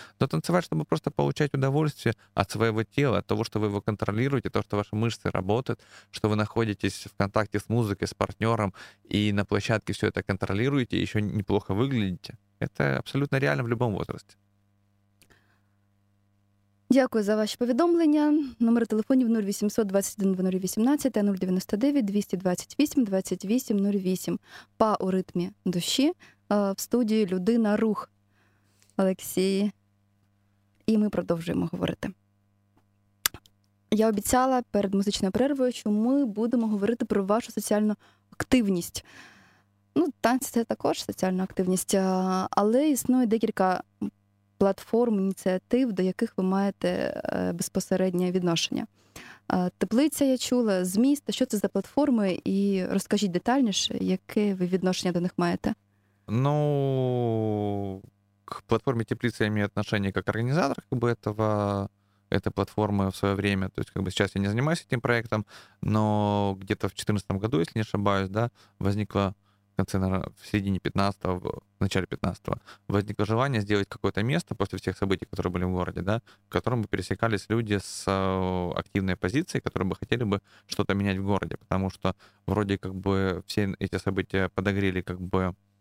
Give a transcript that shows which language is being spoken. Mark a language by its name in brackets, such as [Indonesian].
[Russian] Но танцевать, чтобы просто получать удовольствие от своего тела, от того, что вы его контролируете, то, что ваши мышцы работают, что вы находитесь в контакте с музыкой, с партнером, и на площадке все это контролируете, и еще неплохо выглядите. Это абсолютно реально в любом возрасте. [Ukrainian] Дякую за ваше повідомлення. Номери телефонів 0821-0018 та 099-228-2808. Па у ритмі душі. В студії «Людина рух» Олексій. І ми продовжуємо говорити. Я обіцяла перед музичною перервою, що ми будемо говорити про вашу соціальну активність. Ну, танці – це також соціальна активність, але існує декілька платформ, ініціатив, до яких ви маєте безпосереднє відношення. Теплиця, я чула, Зміст. Що це за платформи? І розкажіть детальніше, яке ви відношення до них маєте? Ну, к платформі Теплиця я маю відношення як організатор, як би, цього, цієї платформи в своє время. Тобто, як би, зараз я не займаюся цим проєктом, але десь в 2014 році, [Russian] якщо не ошибаюсь, да, возникла в конце, наверное, в середине 15-го, в начале 15-го, возникло желание сделать какое-то место после всех событий, которые были в городе, да, в котором бы пересекались люди с активной позицией, которые бы хотели бы что-то менять в городе, потому что вроде как бы все эти события подогрели как бы